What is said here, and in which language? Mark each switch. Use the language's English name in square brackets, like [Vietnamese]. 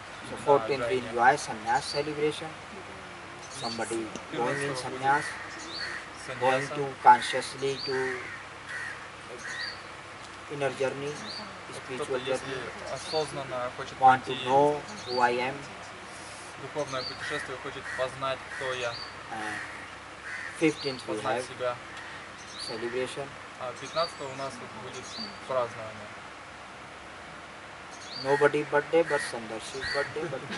[English] So 14th, we enjoy sannyas celebration. Somebody going in sannyas, going to consciously to inner journey, spiritual journey. Want to know who I am. [Russian] Духовное путешествие хочет познать кто я. [English] 15th, we have celebration. [Russian] 15th у нас будет празднование. [English] Nobody birthday, but Sundar's birthday.